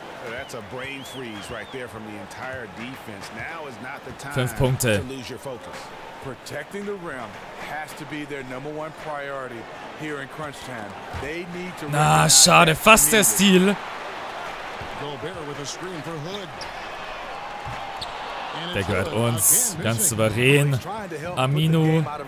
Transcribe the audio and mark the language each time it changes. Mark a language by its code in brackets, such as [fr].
[en] That's a brain freeze right there from the entire defense. Now is not the time [de] 5 Punkte. [en] To lose your focus. Protecting the rim has to be their number one priority here in crunch time. They need to. [de] Na, schade, fast der Steal. [en] Gobert with a screen for Hood. [de] Der gehört uns, ganz souverän. Amino.